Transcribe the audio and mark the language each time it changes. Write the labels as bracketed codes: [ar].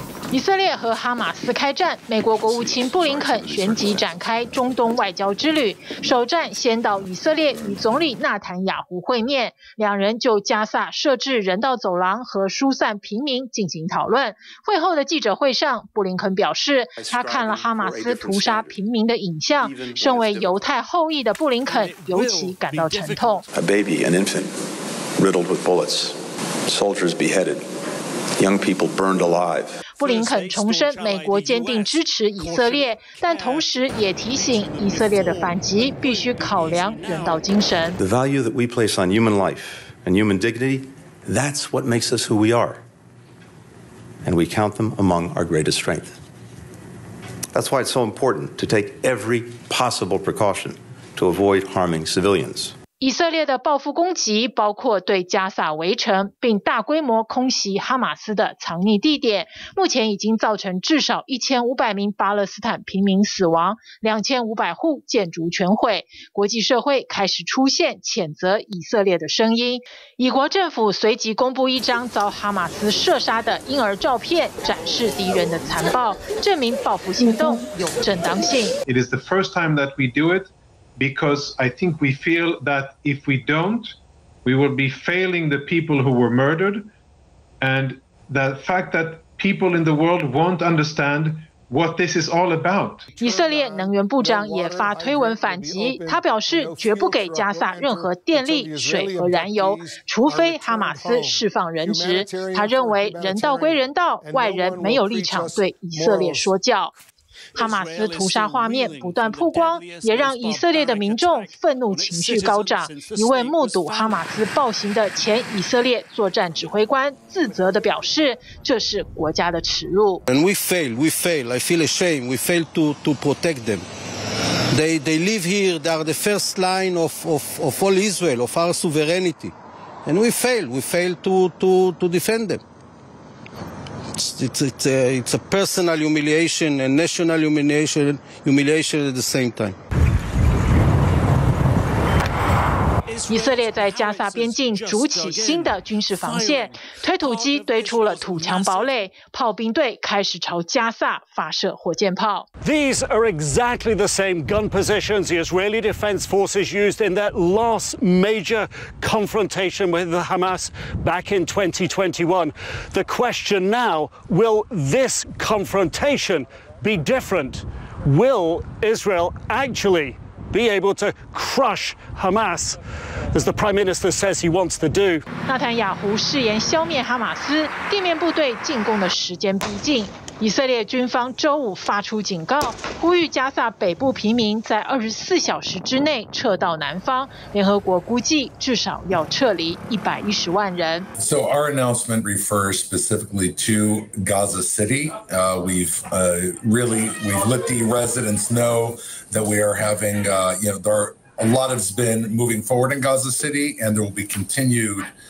[zh] 以色列和哈马斯开战，美国国务卿布林肯旋即展开中东外交之旅，首站先到以色列与总理纳坦雅胡会面，两人就加萨设置人道走廊和疏散平民进行讨论。会后的记者会上，布林肯表示他看了哈马斯屠杀平民的影像，身为犹太后裔的布林肯尤其感到沉痛。 [en] A baby, an infant riddled with bullets, soldiers beheaded, young people burned alive。 [zh] 布林肯重申美国坚定支持以色列，但同时也提醒以色列的反击必须考量人道精神。 [en] The value that we place on human life and human dignity, that's what makes us who we are, and we count them among our greatest strength. That's why it's so important to take every possible precaution to avoid harming civilians. [zh] 以色列的报复攻击包括对加萨围城，并大规模空袭哈马斯的藏匿地点，目前已经造成至少1500名巴勒斯坦平民死亡，2500户建筑全毁。国际社会开始出现谴责以色列的声音。以国政府随即公布一张遭哈马斯射杀的婴儿照片，展示敌人的残暴，证明报复行动有正当性。 [en] It is the first time that we do itBecause I think we feel that if we don't, we will be failing the people who were murdered. And the fact that people in the world won't understand what this is all about. [zh] 以色列能源部长也发推文反击，他表示绝不给加萨任何电力、水和燃油，除非哈马斯释放人质。他认为人道归人道，外人没有立场对以色列说教。哈马斯屠杀画面不断曝光，也让以色列的民众愤怒情绪高涨。一位目睹哈马斯暴行的前以色列作战指挥官自责地表示，这是国家的耻辱。 [en] And we fail, we fail. I feel ashamed. We fail to protect them. They live here. They are the first line of all Israel, of our sovereignty. And we fail. We fail to defend them. It's a personal humiliation and national humiliation at the same time. [zh] 以色列在加萨边境筑起新的军事防线，推土机堆出了土墙堡垒，炮兵队开始朝加萨发射火箭炮。 [en] These are exactly the same gun positions the Israeli Defense Forces used in their last major confrontation with the Hamas back in 2021. The question now, will this confrontation be different? Will Israel actually be able to crush Hamas, as the Prime Minister says he wants to do? [zh] 纳坦雅胡誓言消灭哈马斯，地面部队进攻的时间逼近。以色列军方周五发出警告，呼吁加萨北部平民在24小时之内撤到南方。联合国估计至少要撤离110万人。 [en] So our announcement refers specifically to Gaza City. We've let the residents know that we are having, a lot has been moving forward in Gaza City, and there will be continued.